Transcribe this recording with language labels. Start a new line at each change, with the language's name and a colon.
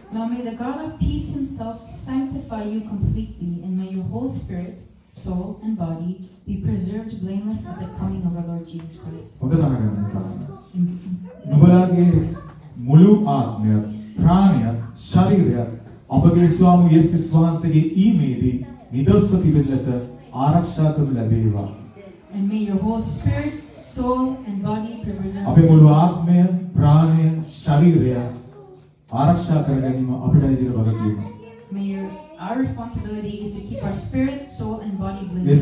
English: Now may the God of peace himself sanctify you completely, and may your whole spirit, soul, and body be preserved blameless at the coming of our Lord Jesus Christ.
Sinhala: නුඹලාගේ මුළු ආත්මය, ප්‍රාණය, ශරීරය ඔබගේ ස්වාමී යේසුස් ක්‍රිස්තු වහන්සේගේ ඊමේදී නිදොස්ව තිබෙන ලෙස ආරක්ෂා කරනු ලැබේවා.
English: And may your whole spirit, soul, and body be preserved.
Sinhala: අපේ මුළු ආත්මය, ප්‍රාණය, ශරීරය ආරක්ෂා කර ගැනීම අපිට ඇයිද බලපෑම.
English: May our responsibility is to keep our spirit, soul and body blameless.